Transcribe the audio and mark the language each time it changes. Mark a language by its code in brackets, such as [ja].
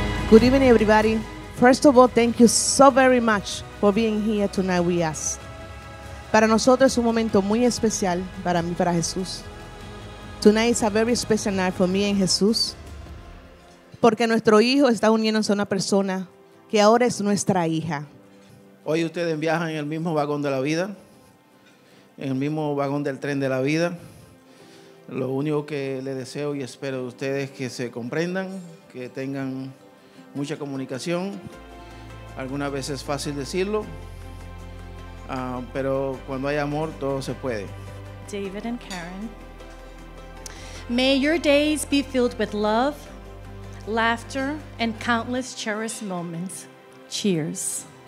[en] Good evening, everybody. First of all, thank you so very much for being here tonight with us. [es] Para nosotros es un momento muy especial, para mí, para Jesús. [en] Tonight is a very special night for me and Jesús, [es] porque nuestro hijo está uniéndose a una persona que ahora es nuestra hija. Hoy ustedes viajan en el mismo vagón de la vida, en el mismo vagón del tren de la vida. Lo único que le deseo y espero de ustedes es que se comprendan, que tengan mucha comunicación. Algunas veces es fácil decirlo, pero cuando hay amor, todo se puede. [en] David and Karen, may your days be filled with love, laughter, and countless cherished moments. Cheers.